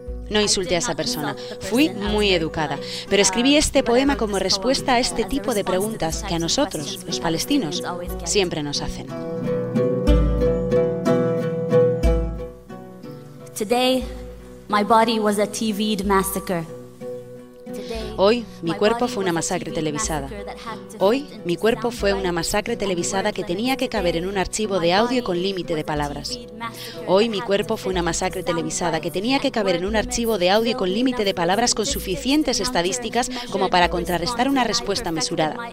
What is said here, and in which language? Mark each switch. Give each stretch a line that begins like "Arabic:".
Spanish: No insulté a esa persona. Fui muy educada. Pero escribí este poema como respuesta a este tipo de preguntas que a nosotros, los palestinos, siempre nos hacen.
English: Today, my body was a TV'd massacre.
Spanish: Hoy, mi cuerpo fue una masacre televisada. Hoy, mi cuerpo fue una masacre televisada que tenía que caber en un archivo de audio con límite de palabras. Hoy, mi cuerpo fue una masacre televisada que tenía que caber en un archivo de audio con límite de palabras con suficientes estadísticas como para contrarrestar una respuesta mesurada.